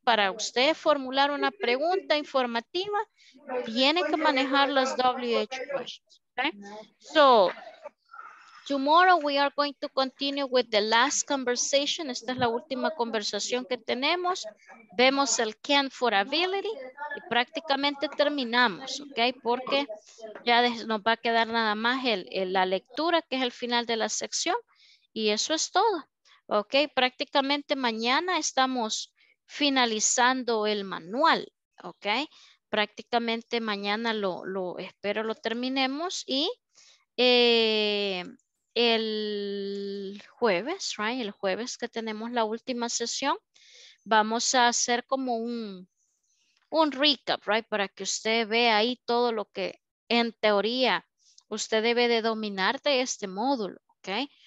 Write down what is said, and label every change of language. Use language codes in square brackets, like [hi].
[es] Para usted formular una pregunta informativa, tiene que manejar las WH questions, ¿ok? [en] So, tomorrow we are going to continue with the last conversation. [es] Esta es la última conversación que tenemos. Vemos el can for ability y prácticamente terminamos, ¿ok? Porque ya nos va a quedar nada más la lectura, que es el final de la sección, y eso es todo. Ok, prácticamente mañana estamos finalizando el manual, ok, prácticamente mañana lo espero lo terminemos y el jueves, right, el jueves que tenemos la última sesión, vamos a hacer como un recap, right, para que usted vea ahí todo lo que en teoría usted debe de dominar de este módulo, ok.